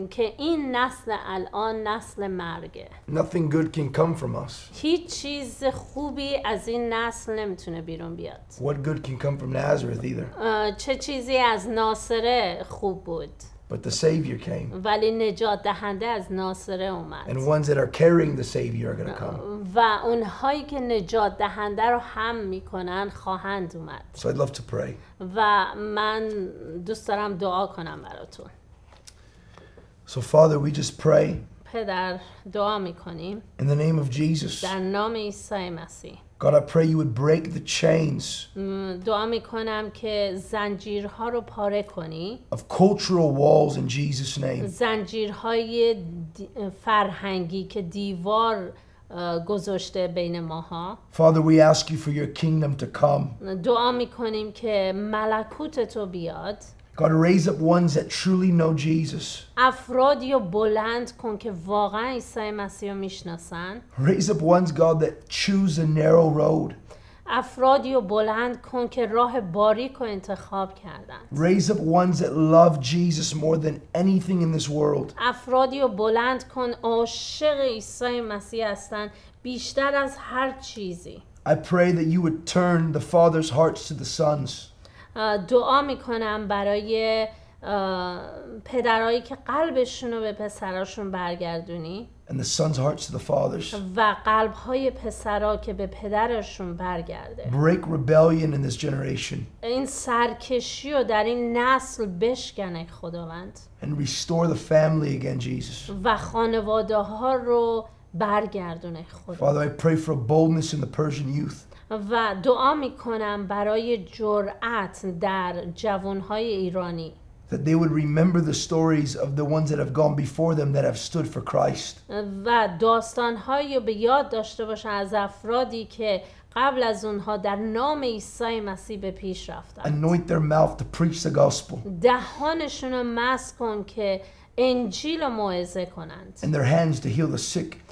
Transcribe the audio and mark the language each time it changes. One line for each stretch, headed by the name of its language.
Persian: که این نسل الان نسل مرگه.
English: Nothing good can come from us.
Persian: هیچ چیز خوبی از این نسل نمیتونه بیرون بیاد.
English: What good can come from Nazareth either?
Persian: چه چیزی از ناصره خوب بود؟
English: But the Savior came.
Persian: ولی نجات دهنده از ناصره اومد.
English: And ones that are carrying the Savior are going to come.
Persian: و اونهایی که نجات دهنده رو هم میکنن خواهند اومد.
English: So I'd love to pray.
Persian: و من دوست دارم دعا کنم براتون.
English: So Father, we just pray.
Persian: پدر دعا میکنیم.
English: In the name of Jesus.
Persian: در نام عیسی مسیح.
English: God, I pray you would break the chains.
Persian: دعا میکنم که زنجیرها رو پاره کنی.
English: Of cultural walls in Jesus' name.
Persian: زنجیرهای فرهنگی که دیوار گذاشته بین ماها.
English: Father, we ask you for your kingdom to come.
Persian: دعا میکنیم که ملکوت تو بیاد.
English: God, raise up ones that truly know Jesus.
Persian: افرادی رو بلند کن که واقعا عیسی مسیح رو میشناسن.
English: Raise up ones, God, that choose a narrow road.
Persian: افرادی رو بلند کن که راه باریک رو انتخاب کردن.
English: Raise up ones that love Jesus more than anything in this world.
Persian: افرادی رو بلند کن عاشق عیسی مسیح هستن بیشتر از هر چیزی.
English: I pray that you would turn the father's hearts to the sons.
Persian: دعا میکنم برای پدرایی که قلبشون رو به پسراشون برگردونی.
English: And the sons' hearts to the fathers.
Persian: و قلب‌های پسرا که به پدرشون برگرده.
English: Break rebellion in this generation.
Persian: این سرکشی رو در این نسل بشکنه خداوند.
English: And restore the family again, Jesus.
Persian: و خانواده‌ها رو برگردونه خداوند.
English: Father, I pray for boldness in the Persian youth.
Persian: و دعا میکنم برای جرأت در جوانهای ایرانی.
English: That they would remember the stories of the ones that have gone before them that have stood for Christ.
Persian: و داستانهایی به یاد داشته باشن از افرادی که قبل از اونها در نام عیسی مسیح به پیش رفتند.
English: Anoint their mouth to preach the gospel.
Persian: دهانشون رو مسح کن که انجیل رو موعظه کنند.
English: And their hands to heal the sick.